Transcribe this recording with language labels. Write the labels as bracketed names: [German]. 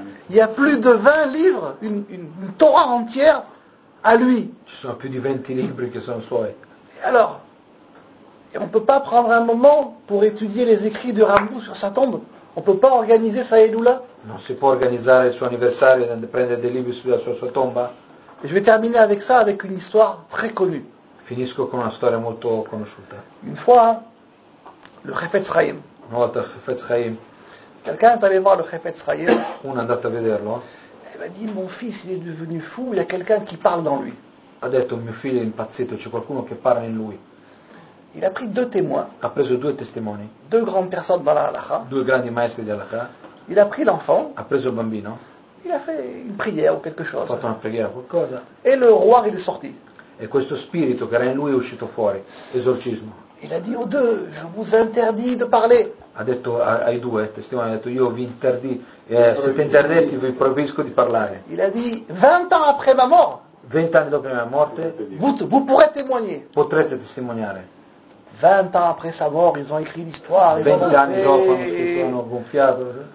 [French] Il y a plus de 20 livres, une Torah entière, à lui. [Italian] Ci sono più di 20 libri che sono suoi. [French] Et alors, et on ne peut pas prendre un moment pour étudier les écrits de Rambou sur sa tombe. On ne peut pas organiser sa Eloula. [Italian] Non si può organizzare il suo anniversario e prendere dei libri sulla sua tomba. [French] Et je vais terminer avec ça, avec une histoire très connue. [Italian] Finisco con una storia molto conosciuta. [French] Une fois, le Chefetz Chaim. [Italian] Una volta, Chefetz Chaim. [French] Quelqu'un est allé voir le Chefetz Chaim. [Italian] Uno è andato a vederlo. E mi ha detto, [French] mon fils, il est devenu fou, il y a quelqu'un qui parle dans lui. [Italian] Ha detto, mio figlio è impazzito, c'è qualcuno che parla in lui. [French] Il a pris deux témoins. [Italian] Ha preso due testimoni. [French] Deux grandes personnes dans la halakha. [Italian] Due grandi maestri di halakha. [French] Il a pris l'enfant. [Italian] Ha preso il bambino. [French] Il a fait une prière ou quelque chose. [Italian] Ha fatto una preghiera o qualcosa. [French] Et le roi, il est sorti. [Italian] E questo spirito che era in lui è uscito fuori. Esorcismo. [French] Il a dit aux deux, je vous interdis de parler. [Italian] Ha detto ai due testimoni, ha detto io vi interdi, siete interdetti, vi proibisco di parlare. [French] Il a dit, 20 ans après ma mort. [Italian] 20 anni dopo la mia morte. [French] Vous pourrez témoigner. [Italian] Potrete testimoniare. [French] 20 ans après sa mort, ils ont écrit l'histoire. [Italian] 20 anni dopo, quando si sono gonfiato.